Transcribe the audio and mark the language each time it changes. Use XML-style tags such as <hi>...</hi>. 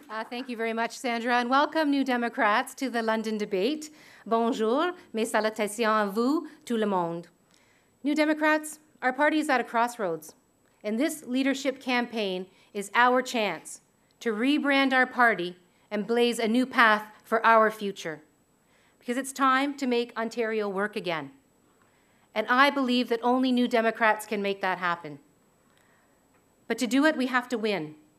<en>Thank you very much, Sandra, and welcome, New Democrats, to the London debate.</en> <fr>Bonjour, mes salutations à vous, tout le monde.</fr> <en>New Democrats, our party is at a crossroads, and this leadership campaign is our chance to rebrand our party and blaze a new path for our future, because it's time to make Ontario work again. And I believe that only New Democrats can make that happen. But to do it, we have to win.</en>